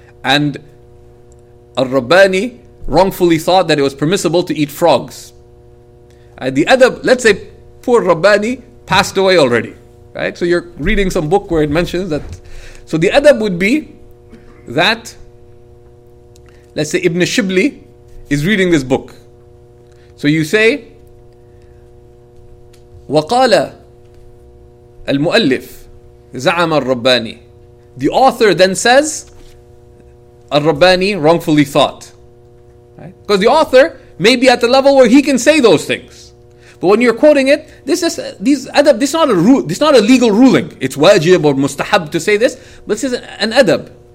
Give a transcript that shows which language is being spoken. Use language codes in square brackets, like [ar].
[en] And al-Rabbani wrongfully thought that it was permissible to eat frogs. And the adab, let's say poor Rabbani passed away already. Right? So you're reading some book where it mentions that. So the adab would be that, let's say Ibn Shibli is reading this book. So you say, [ar] وَقَالَ الْمُؤَلِّفِ زَعَمَ الرَّبَّانِ. [en] The author then says, Al-Rabbani wrongfully thought. Because right? The author may be at the level where he can say those things. But when you're quoting it, this is not a legal ruling. It's wajib or mustahab to say this. But this is an adab.